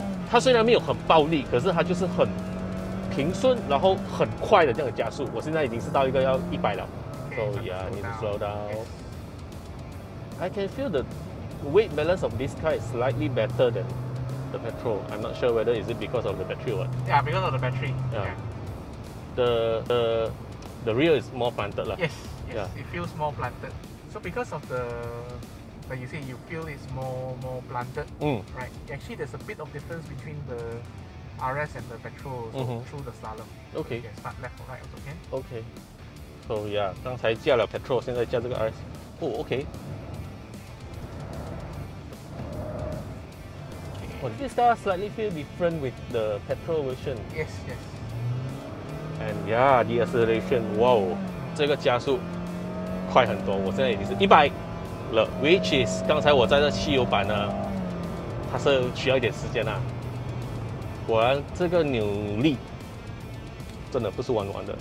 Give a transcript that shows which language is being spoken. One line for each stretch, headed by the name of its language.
Chinese: 它虽然没有很暴力，可是它就是很平顺，然后很快的这样的加速，我现在已经是到一个要100了。
English: So yeah, need to slow down. I can feel the weight balance of this car is slightly better than the petrol. I'm not sure whether is it because of the battery or what. Yeah, because of the battery. Yeah. The rear is more planted lah. Yes. Yeah. It feels more planted. So because of the, like you say, you feel it's more planted. Right. Actually, there's a bit of difference between the. RS and the petrol through the slalom. Okay. So start left or right also can. Okay. So yeah,
Chinese: 刚才驾了
English: petrol,
Chinese: 现在驾这个
English: RS. Oh, okay. Okay. Well, this car slightly feel different with the petrol version. Yes. And yeah, the acceleration, wow.
Chinese: 这个加速快很多，我现在已经是100了
English: which is
Chinese: 刚才我在这汽油版呢，它是需要一点时间啊。果然这个扭力真的不是玩玩的。